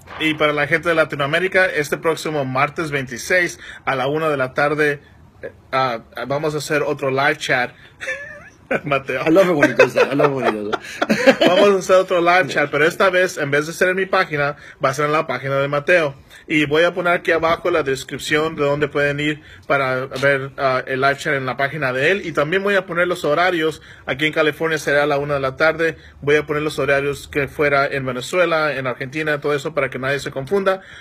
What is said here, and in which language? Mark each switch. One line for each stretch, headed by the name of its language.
Spanish: Y para la gente de Latinoamérica, este próximo martes 26 a la 1 de la tarde, vamos a hacer otro live chat. Mateo.
English: I love it when he does that. I love it when he does that.
Spanish: Vamos a hacer otro live chat, pero esta vez, en vez de ser en mi página, va a ser en la página de Mateo. Y voy a poner aquí abajo la descripción de dónde pueden ir para ver el live chat en la página de él. Y también voy a poner los horarios. Aquí en California será a la 1 de la tarde. Voy a poner los horarios que fuera en Venezuela, en Argentina, todo eso para que nadie se confunda.